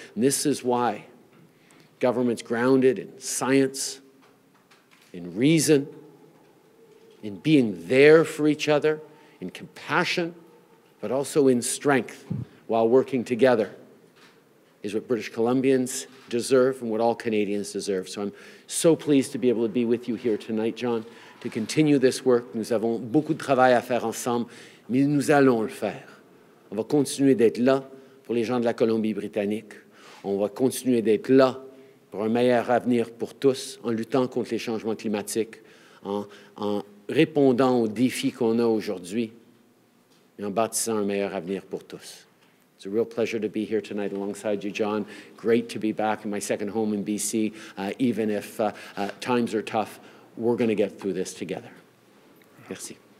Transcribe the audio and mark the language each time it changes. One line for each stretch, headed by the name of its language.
English: And this is why governments grounded in science, in reason, in being there for each other, in compassion, but also in strength while working together is what British Columbians deserve and what all Canadians deserve. So I'm so pleased to be able to be with you here tonight, John, to continue this work.
French: Nous avons beaucoup de travail à faire ensemble, mais nous allons le faire. On va continuer d'être là pour les gens de la Colombie-Britannique. On va continuer d'être là pour un meilleur avenir pour tous, en luttant contre les changements climatiques, en répondant aux défis qu'on a aujourd'hui, et en bâtissant un meilleur avenir pour tous.
English: It's a real pleasure to be here tonight alongside you, John. Great to be back in my second home in BC. Even if times are tough, we're going to get through this together. Merci.